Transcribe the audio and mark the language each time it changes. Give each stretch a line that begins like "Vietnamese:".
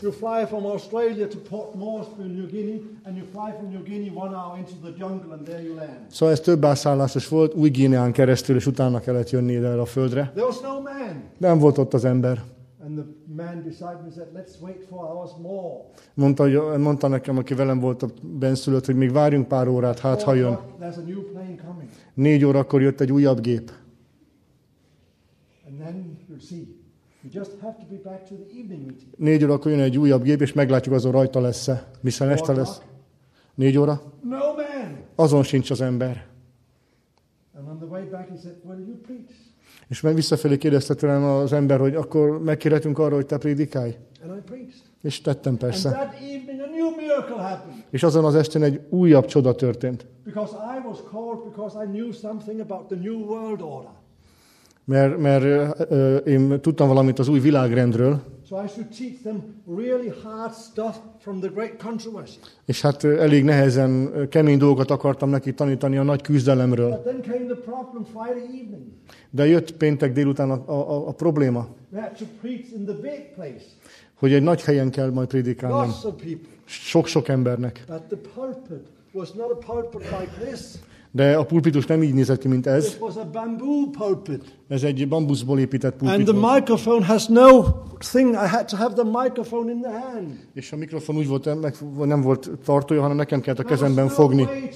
English: You fly from Australia to Port Moresby, New Guinea, and you fly from New Guinea 1 hour into the jungle, and there you land.
Hungarian: So ez több átszállásos volt, Új-Guineán keresztül, és utána kellett jönni ide a földre.
English: There was no man.
Hungarian: Nem volt ott az ember.
English: And the man beside me said, "Let's wait 4 hours more."
Hungarian: Mondta nekem, aki velem volt a benszülött, hogy még várjunk pár órát, hát ha jön.
English: There's a new plane coming.
Hungarian: 4 órakor jött egy újabb gép.
English: And then you'll see. You just have to be back to the evening meeting.
Hungarian: 4 órakor jön egy újabb gép, és meglátjuk, azon rajta lesz-e, hiszen este lesz. 4 óra.
English: No man.
Hungarian: Azon sincs az ember.
English: And on the way back he said, "Well, you preach."
Hungarian: És meg visszafelé kérdezte tőlem az ember, hogy akkor megkérhetünk arra, hogy te prédikálj.
English: And I preached.
Hungarian: És tettem persze.
English: And that evening a new miracle happened.
Hungarian: És azon az estén egy újabb csoda történt.
English: Because I was called because I knew something about the new world order.
Hungarian: Mert én tudtam valamit az új világrendről.
English: So I should teach them really hard stuff from the great controversy.
Hungarian: És hát elég nehezen, kemény dolgokat akartam neki tanítani a nagy küzdelemről.
English: But then came the problem Friday evening.
Hungarian: De jött péntek délután a probléma.
English: We had to preach in the big place.
Hungarian: Hogy egy nagy helyen kell majd prédikálnom. Sok-sok embernek.
English: But the pulpit was not a pulpit like this.
Hungarian: De a pulpitus nem így nézett ki, mint ez.
English: This was a bamboo pulpit.
Hungarian: Ez egy bambuszból épített pulpit.
English: And the microphone has no thing. I had to have the microphone in the hand.
Hungarian: És a mikrofon úgy volt, nem volt tartója, hanem nekem kellett a kezemben fogni.